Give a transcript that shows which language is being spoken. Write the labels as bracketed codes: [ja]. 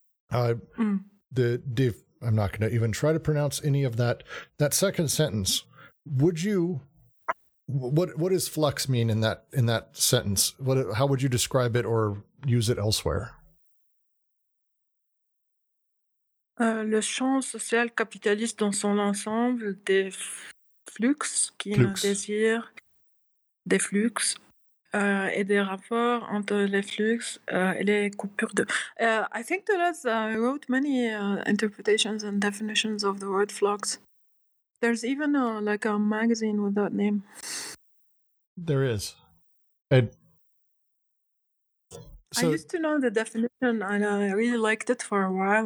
[en] I'm not going to even try to pronounce any of that. That second sentence, what does flux mean in that sentence? How would you describe it or use it elsewhere? [fr] Le champ social capitaliste dans son ensemble des flux qui est un désir des flux et des rapports entre les flux et les coupures de. [en] I think Deleuze wrote many interpretations and definitions of the word flux. There's even a magazine with that name. There is. So, I used to know the definition and I really liked it for a while.